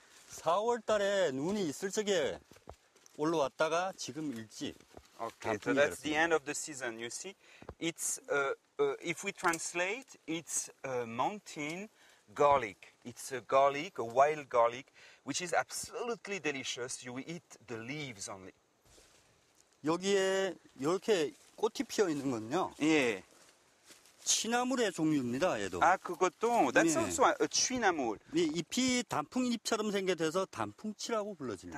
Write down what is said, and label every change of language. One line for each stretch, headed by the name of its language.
Korean: 4월 달에 눈이 있을 적에 올라왔다가 지금 일찍.
English: Okay, so that's the end of the season, you see. It's, if we translate, it's a mountain garlic. It's a garlic, a wild garlic, which is absolutely delicious. You eat the leaves only.
Korean: 여기에 이렇게 꽃이 피어 있는 건요? 예. 취나물의 종류입니다, 얘도. 아, 그것도?
English: That's
Korean: 예.
English: also a 취나물.
Korean: 예, 잎이 단풍잎처럼 생겨져서 단풍취라고 불러집니다.